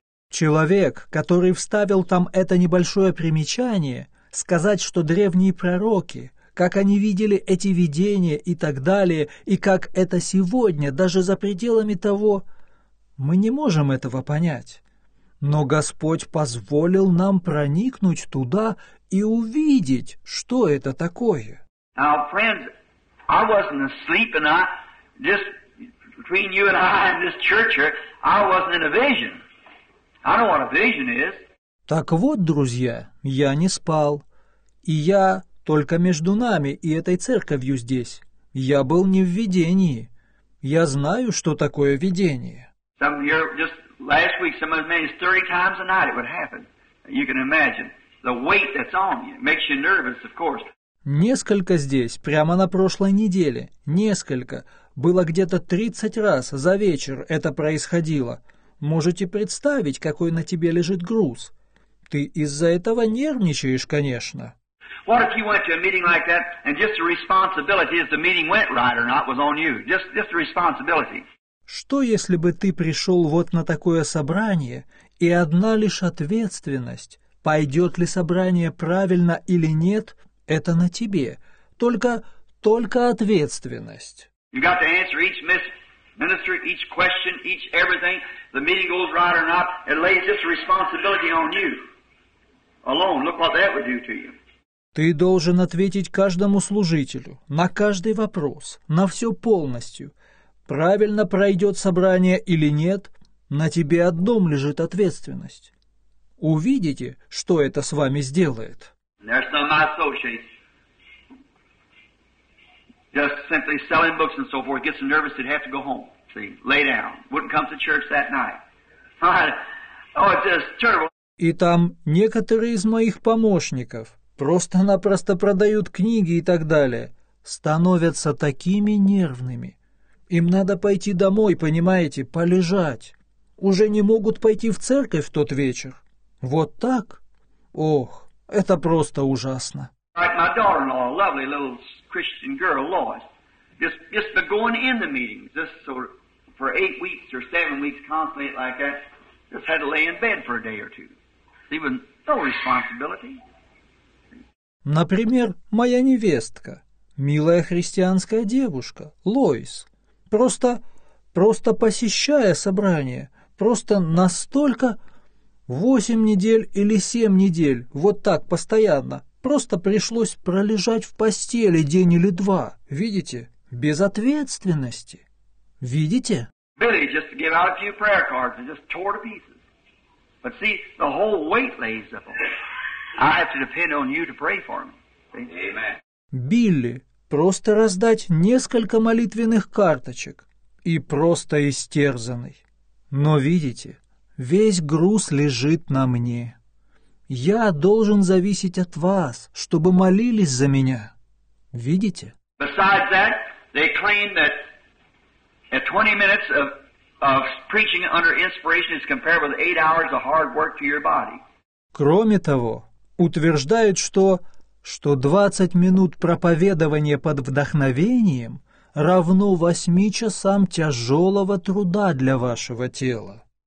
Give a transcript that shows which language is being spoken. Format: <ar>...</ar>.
<ru>Человек, который вставил там это небольшое примечание, сказать, что древние пророки, как они видели эти видения и так далее, и как это сегодня, даже за пределами того, мы не можем этого понять. Но Господь позволил нам проникнуть туда и увидеть, что это такое.</ru> <en>Now, friends, I wasn't asleep and I, just between you and I and this church here, I wasn't in a vision. I don't know what a vision is.</en> <ru>Так вот, друзья, я не спал, и я только между нами и этой церковью здесь. Я был не в видении. Я знаю, что такое видение.</ru> <en>Some here, just last week, some as many as 30 times a night it would happen. You can imagine the weight that's on you. It makes you nervous, of course.</en> <ru>Несколько здесь, прямо на прошлой неделе, несколько, было где-то 30 раз за вечер это происходило. Можете представить, какой на тебе лежит груз? Ты из-за этого нервничаешь, конечно.</ru> <en>What if you went to a meeting like that, and just the responsibility if the meeting went right or not was on you? Just the responsibility.</en> <ru>Что если бы ты пришел вот на такое собрание, и одна лишь ответственность, пойдет ли собрание правильно или нет, это на тебе. Только ответственность.</ru> <en>You got to answer each minister, each question, each everything. The meeting goes right or not, it lays just responsibility on you. Alone, look what that would do to you.</en> <ru>Ты должен ответить каждому служителю, на каждый вопрос, на все полностью. Правильно пройдет собрание или нет, на тебе одном лежит ответственность. Увидите, что это с вами сделает.</ru> <en>There's some of my associates. Just simply selling books and so forth, gets nervous, they'd have to go home. See, lay down. Wouldn't come to church that night. Oh, it's just terrible.</en> <ru>И там некоторые из моих помощников просто-напросто продают книги и так далее, становятся такими нервными. Им надо пойти домой, понимаете, полежать. Уже не могут пойти в церковь в тот вечер. Вот так? Ох, это просто ужасно.</ru> <en>Like my daughter-in-law, lovely little Christian girl, Lois, just the going in the meetings, just so for 8 weeks or 7 weeks constantly like that, just had to lay in bed for a day or two. Even no responsibility.</en> <ru>Например, моя невестка, милая христианская девушка, Лоис, просто посещая собрание, просто настолько 8 недель или 7 недель, вот так постоянно, просто пришлось пролежать в постели день или два, видите, без ответственности, видите?</ru> <en>Billy just gave out a few prayer cards and just tore to pieces. But see, the whole weight lays up on me. I have to depend on you to pray for me. Amen.</en> <ru>Билли, просто раздать несколько молитвенных карточек и просто истерзанный. Но видите, весь груз лежит на мне. Я должен зависеть от вас, чтобы молились за меня. Видите?</ru> <en>Besides that, they claim that at 20 minutes of preaching under inspiration is compared with 8 hours of hard work to your body.</en> <ru>Кроме того, утверждают, что 20 минут проповедования под вдохновением равно 8 часам тяжелого труда для вашего тела.</ru>